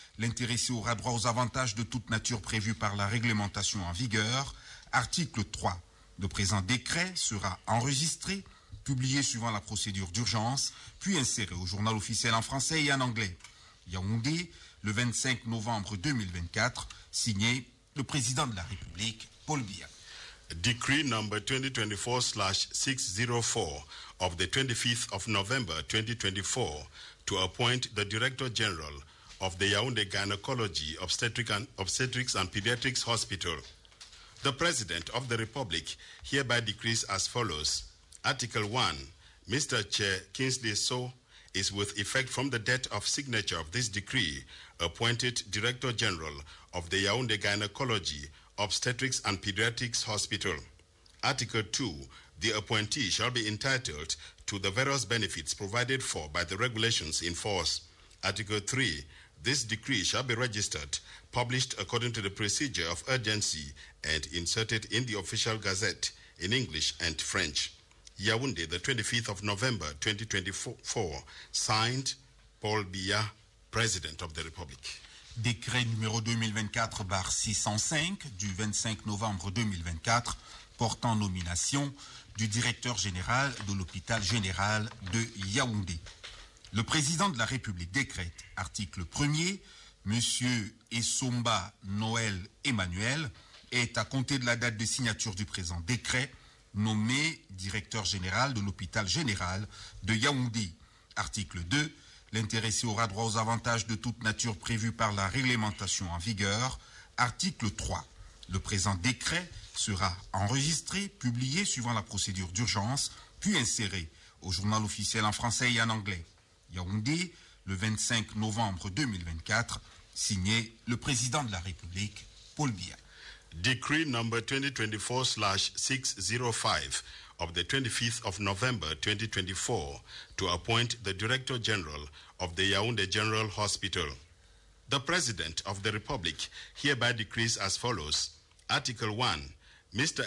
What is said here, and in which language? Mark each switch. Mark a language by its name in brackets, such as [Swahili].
[French] L'intéressé aura droit aux avantages de toute nature prévus par la réglementation en vigueur. Article 3. Le présent décret sera enregistré, publié suivant la procédure d'urgence, puis inséré au journal officiel en français et en anglais. Yaoundé, le 25 novembre 2024, signé le président de la République, Paul Biya. [English] Decree number 2024/604 of the 25th of November 2024 to appoint the Director General of the Yaoundé Gynecology Obstetrics and Pediatrics Hospital. The President of the Republic hereby decrees as follows. Article 1. Mr. Chair Kingsley So is with effect from the date of signature of this decree appointed Director General of the Yaoundé Gynecology Obstetrics and Pediatrics Hospital. Article 2. The appointee shall be entitled to the various benefits provided for by the regulations in force. Article 3. This decree shall be registered, published according to the procedure of urgency and inserted in the official gazette in English and French. Yaoundé, the 25th of November, 2024, signed Paul Biya, President of the Republic. [French] Décret numéro 2024/605 du 25 novembre 2024 portant nomination du directeur général de l'hôpital général de Yaoundé. Le président de la République décrète, article 1er, Monsieur Essomba Noël Emmanuel est à compter de la date de signature du présent décret nommé directeur général de l'hôpital général de Yaoundé. Article 2. L'intéressé aura droit aux avantages de toute nature prévus par la réglementation en vigueur. Article 3. Le présent décret sera enregistré, publié suivant la procédure d'urgence, puis inséré au journal officiel en français et en anglais. Yaoundé, le 25 novembre 2024, signé le président de la République, Paul Biya. [English] Decree number 2024/605 of the 25th of November 2024 to appoint the Director General of the Yaoundé General Hospital. The President of the Republic hereby decrees as follows. Article 1. Mr.